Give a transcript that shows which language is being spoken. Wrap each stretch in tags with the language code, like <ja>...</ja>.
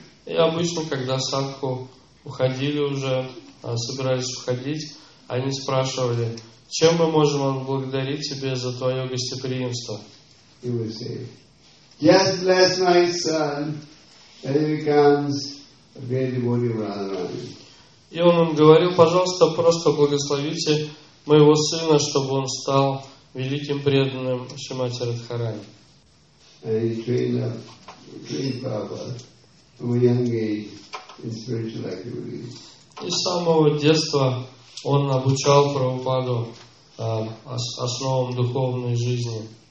<ru>И обычно, когда садху уходили уже, собирались уходить, они спрашивали, чем мы можем отблагодарить тебе за твое гостеприимство?</ru> <en>He would say, just bless my son, and he becomes a great devotee of Radharani.</en> <ru>И он им говорил, пожалуйста, просто благословите моего сына, чтобы он стал великим преданным Шримати Радхарани. И с самого детства он обучал Прабхупаду основам духовной жизни.</ru>